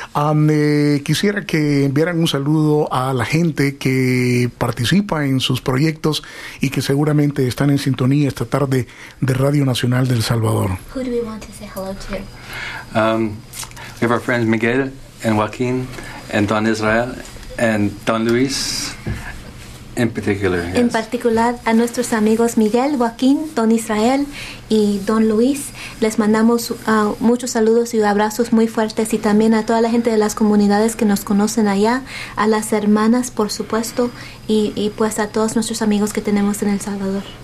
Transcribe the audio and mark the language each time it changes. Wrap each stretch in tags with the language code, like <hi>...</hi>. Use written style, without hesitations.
<es>Quisiera que enviaran un saludo a la gente que participa en sus proyectos y que seguramente están en sintonía esta tarde de Radio Nacional del Salvador.</es> <en>Who do we want to say hello to? We have our friends Miguel and Joaquin and Don Israel and Don Luis in particular. Yes.</en> <es>En particular a nuestros amigos Miguel, Joaquin, Don Israel y Don Luis, les mandamos muchos saludos y abrazos muy fuertes, y también a toda la gente de las comunidades que nos conocen allá, a las hermanas, por supuesto, y pues a todos nuestros amigos que tenemos en El Salvador.</es>